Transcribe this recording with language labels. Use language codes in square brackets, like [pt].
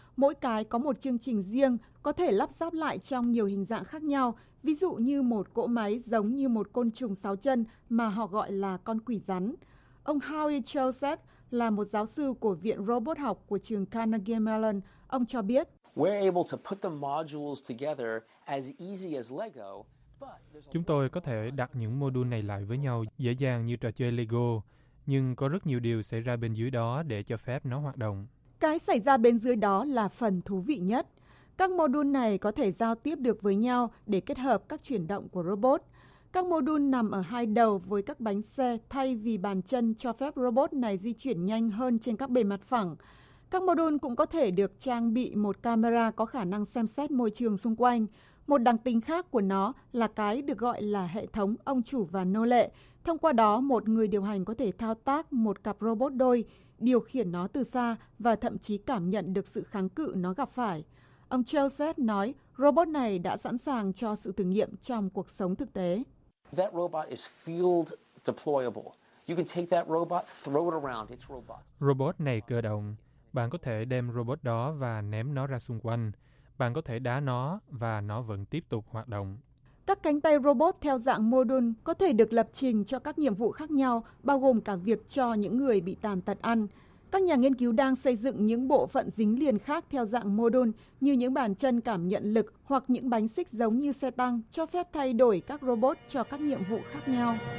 [vi] Mỗi cái có một chương trình riêng, có thể lắp ráp lại trong nhiều hình dạng khác nhau, ví dụ như một cỗ máy giống như một côn trùng sáu chân mà họ gọi là con quỷ rắn. Ông Howie Chelset là một giáo sư của Viện Robot học của trường Carnegie Mellon. Ông cho biết, [en] we're able to put the modules together as easy as Lego. [vi] Chúng tôi có thể đặt những mô đun này lại với nhau dễ dàng như trò chơi Lego. Nhưng có rất nhiều điều xảy ra bên dưới đó để cho phép nó hoạt động. Cái xảy ra bên dưới đó là phần thú vị nhất. Các mô đun này có thể giao tiếp được với nhau để kết hợp các chuyển động của robot. Các mô đun nằm ở hai đầu với các bánh xe thay vì bàn chân cho phép robot này di chuyển nhanh hơn trên các bề mặt phẳng. Các mô đun cũng có thể được trang bị một camera có khả năng xem xét môi trường xung quanh. Một đặc tính khác của nó là cái được gọi là hệ thống ông chủ và nô lệ. Thông qua đó, một người điều hành có thể thao tác một cặp robot đôi, điều khiển nó từ xa và thậm chí cảm nhận được sự kháng cự nó gặp phải. Ông Chelset nói, robot này đã sẵn sàng cho sự thử nghiệm trong cuộc sống thực tế. [en] That robot is field deployable. You can take that robot, throw it around. It's robust. [vi] Robot này cơ động. Bạn có thể đem robot đó và ném nó ra xung quanh. Bạn có thể đá nó và nó vẫn tiếp tục hoạt động. Các cánh tay robot theo dạng mô đun có thể được lập trình cho các nhiệm vụ khác nhau, bao gồm cả việc cho những người bị tàn tật ăn. Các nhà nghiên cứu đang xây dựng những bộ phận dính liền khác theo dạng mô đun, như những bàn chân cảm nhận lực hoặc những bánh xích giống như xe tăng, cho phép thay đổi các robot cho các nhiệm vụ khác nhau.